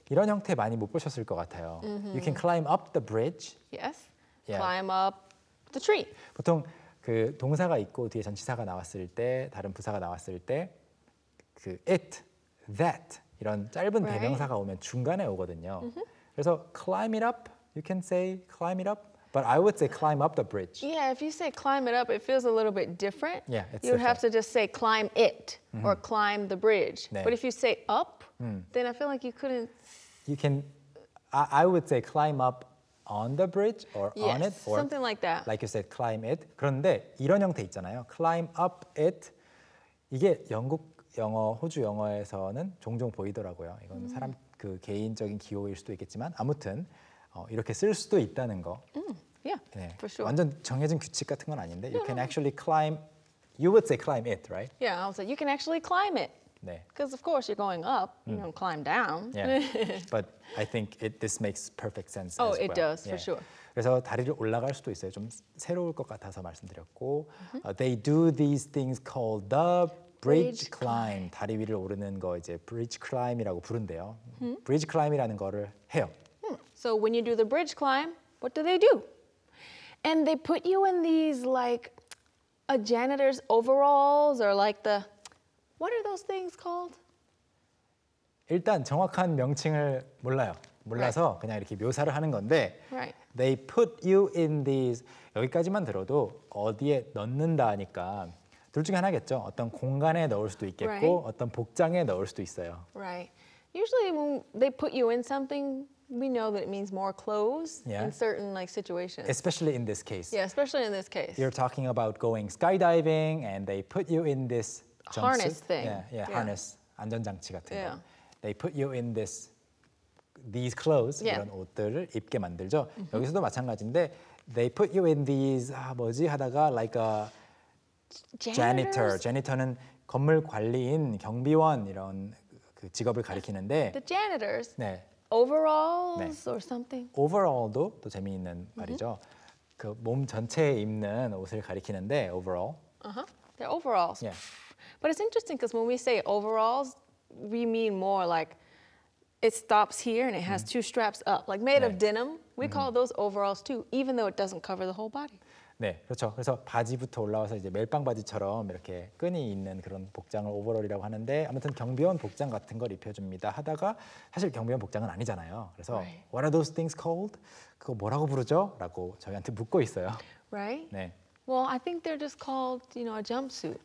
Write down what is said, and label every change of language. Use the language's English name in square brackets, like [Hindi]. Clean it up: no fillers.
[Korean] 이런 형태 많이 못 보셨을 것 같아요. Mm-hmm. [English] You can climb up the bridge. Yes. Yeah. Climb up the tree. [Korean] 보통 그 동사가 있고 뒤에 전치사가 나왔을 때 다른 부사가 나왔을 때 그 [English] it, that [Korean] 이런 짧은 [English] right. [Korean] 대명사가 오면 중간에 오거든요. Mm-hmm. 그래서 [English] climb it up, you can say climb it up. But I would say climb up the bridge. Yeah, if you say climb it up, it feels a little bit different. Yeah, it's different. You'd have to just say climb it mm-hmm. or climb the bridge. 네. But if you say up, mm. then I feel like you couldn't... You can... I would say climb up on the bridge or yes, on it. Or something like that. Like you said, climb it. [Korean] 그런데 이런 형태 있잖아요. [English] Climb up it. [Korean] 이게 영국 영어, 호주 영어에서는 종종 보이더라고요. 이건 사람 그 개인적인 기호일 수도 있겠지만 아무튼 이렇게 쓸 수도 있다는 거. [English] Yeah, [Korean] 네. [English] for sure. [Korean] 완전 정해진 규칙 같은 건 아닌데 [English] you can actually climb, you would say climb it, right? Yeah, I would say you can actually climb it. [Korean] 네. [English] Because of course you're going up, you don't climb down. Yeah. But I think this makes perfect sense oh, Oh, it does, yeah. for sure. [Korean] 그래서 다리를 올라갈 수도 있어요. 좀 새로울 것 같아서 말씀드렸고 [English] they do these things called the bridge climb. [Korean] 다리 위를 오르는 거 이제 bridge climb이라고 부른대요. Bridge climb이라는 거를 해요. [English] So when you do the bridge climb, what do? And they put you in these like a janitor's overalls or like the what are those things called? [Korean] 일단 정확한 명칭을 몰라요. 몰라서 right. 그냥 이렇게 묘사를 하는 건데. [English] Right. They put you in these [Korean] 여기까지만 들어도 어디에 넣는다니까 둘 중에 하나겠죠. 어떤 공간에 넣을 수도 있겠고 [English] right. [Korean] 어떤 복장에 넣을 수도 있어요. [English] Right. Usually when they put you in something we know that it means more clothes yeah. in certain like situations. Especially in this case. Yeah, especially in this case. You're talking about going skydiving and they put you in this harness thing. Yeah, harness. [Korean] 안전장치 같은 거. [English] They put you in this these clothes. Yeah. [Korean] 이런 옷들을 입게 만들죠. [English] Mm-hmm. [Korean] 여기서도 마찬가지인데 [English] they put you in these [Korean] 뭐지 하다가 [English] like a janitor. [Korean] Janitor는 건물 관리인, 경비원 이런 그 직업을 가리키는데 [English] the janitors. [Korean] 네. [English] Overalls 네. or something. [Korean] Overall도 또 재미있는 말이죠. 그 몸 전체에 입는 옷을 가리키는데 overall. [English] Uh-huh. They're overalls. Yeah. But it's interesting because when we say overalls, we mean more like it stops here and it has two straps up, like made [Korean] 네. [English] of denim. We call those overalls too, even though it doesn't cover the whole body. [Korean] 네, 그렇죠. 그래서 바지부터 올라와서 이제 멜빵 바지처럼 이렇게 끈이 있는 그런 복장을 오버롤이라고 하는데 아무튼 경비원 복장 같은 걸 입혀줍니다. 하다가 사실 경비원 복장은 아니잖아요. 그래서 [English] right. What are those things called? [Korean] 그거 뭐라고 부르죠? 라고 저희한테 묻고 있어요. [English] Right? [Korean] 네. [English] Well, I think they're just called, you know, a jumpsuit.